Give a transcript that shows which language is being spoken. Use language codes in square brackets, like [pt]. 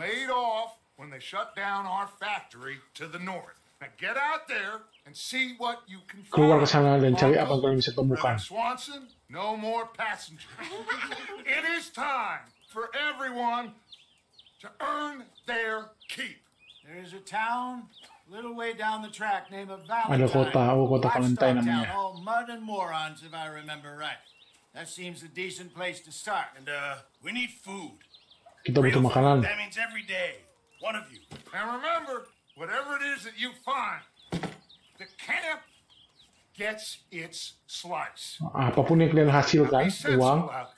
[en] Laid off when they shut down our factory to the north. Now get out there and see what you can find. [id] Keluar ke sana dan cari apa yang bisa temukan. [en] Swanson, no more passengers. It is time for everyone to earn their keep. There is a town a little way down the track named Valentine. [id] Ada kota, oh kota Valentine namanya. [en] All mud and morons, if I remember right. That seems a decent place to start. And we need food. [id] Kita butuh makanan. [en] That means every day, one of you. And remember, whatever it is that you find, the camp gets its slice. [id] Apapun yang kalian hasilkan, uang.